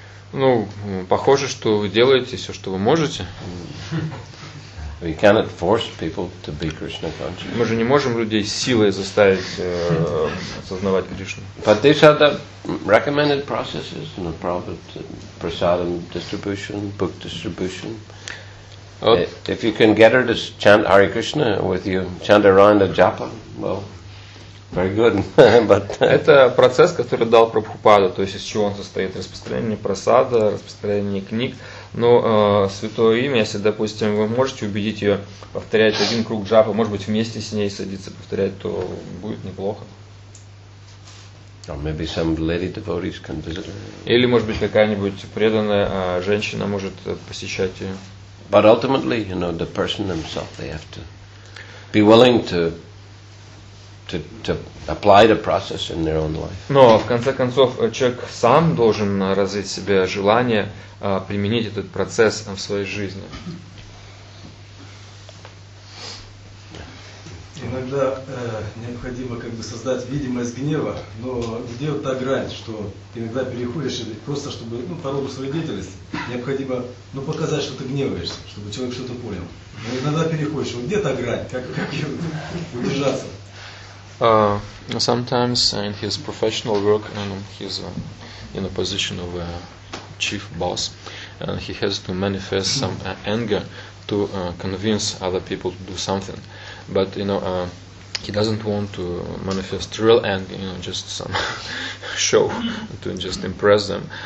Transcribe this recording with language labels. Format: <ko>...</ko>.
<ru>Ну, похоже, что вы делаете все, что вы можете.</ru> <en>We cannot force people to be Krishna conscious.</en> <ru>Мы же не можем людей силой заставить осознавать Кришну.</ru> <en>But these are the recommended processes, you know, Prabhupada, prasadam distribution, book distribution. If you can get her to chant Hare Krishna with you, chant around the japa, well, very good. But</en> <ru>это процесс, который дал Прабхупада, то есть из чего он состоит: распространение просада, распространение книг. Но святое имя, если, допустим, вы можете убедить ее повторять один круг джапы, может быть, вместе с ней садиться повторять, то будет неплохо.</ru> <en>Or maybe some lady devotees can visit her.</en> <ru>Или, может быть, какая-нибудь преданная женщина может посещать ее.</ru> <en>But ultimately, you know, the person themselves, they have to be willing to apply the process in their own life.</en> <ru>Но в конце концов человек сам должен развить в себе желание применить этот процесс в своей жизни. Иногда необходимо как бы создать видимость гнева, но где вот та грань, что ты иногда переходишь или просто чтобы, ну, по роду своей деятельности, необходимо, ну, показать, что ты гневаешься, чтобы человек что-то понял. Но иногда переходишь, вот где та грань, как ее удержаться?</ru> <en>Sometimes in his professional work, and he's in a position of a chief boss, and he has to manifest some anger to convince other people to do something. But you know, He doesn't want to manifest real anger, you know, just some show to just impress them.</en>